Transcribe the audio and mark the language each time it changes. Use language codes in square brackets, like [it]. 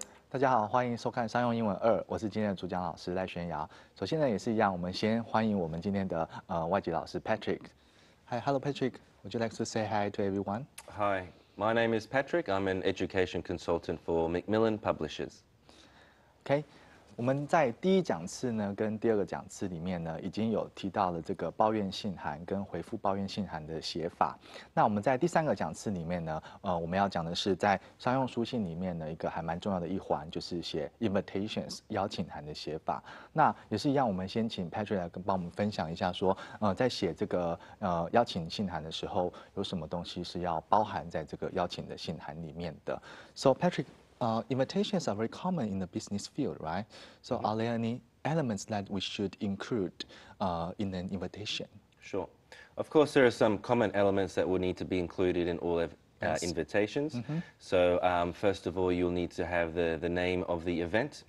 [zh] 大家好，欢迎收看商用英文二，我是今天的主讲老师赖玄瑶。首先呢，也是一样，我们先欢迎我们今天的外籍老师 Patrick。 [en] Hi，Hello Patrick， Would you like to say hi to everyone？ Hi， my name is Patrick. I'm an education consultant for Macmillan Publishers. [zh] OK， 我们在第一讲次呢，跟第二个讲次里面呢，已经有提到了这个抱怨信函跟回复抱怨信函的写法。那我们在第三个讲次里面呢，我们要讲的是在商用书信里面的一个还蛮重要的一环，就是写 invitations 邀请函的写法。那也是一样，我们先请 Patrick 来跟帮我们分享一下说，在写这个邀请信函的时候，有什么东西是要包含在这个邀请的信函里面的。 [en] So Patrick, invitations are very common in the business field, right? So are there any elements that we should include in an invitation? Sure. Of course, there are some common elements that will need to be included in all of, invitations. Mm-hmm. So, first of all, you'll need to have the name of the event.